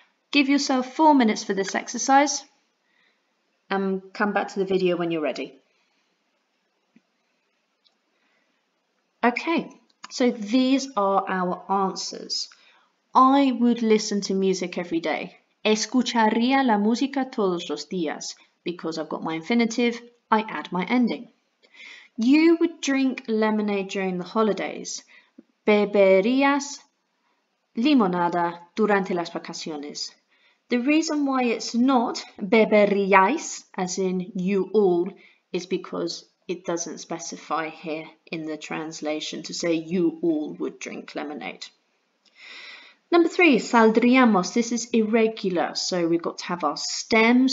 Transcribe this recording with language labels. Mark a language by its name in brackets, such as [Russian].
[English] Give yourself 4 minutes for this exercise and come back to the video when you're ready. Okay, so these are our answers. I would listen to music every day. [Spanish] Escucharía la música todos los días. [English] Because I've got my infinitive, I add my ending. You would drink lemonade during the holidays. [Spanish] Beberías limonada durante las vacaciones. [English] The reason why it's not beberíais, as in you all, is because it doesn't specify here in the translation to say you all would drink lemonade. Number three, saldríamos. This is irregular, so we've got to have our stem.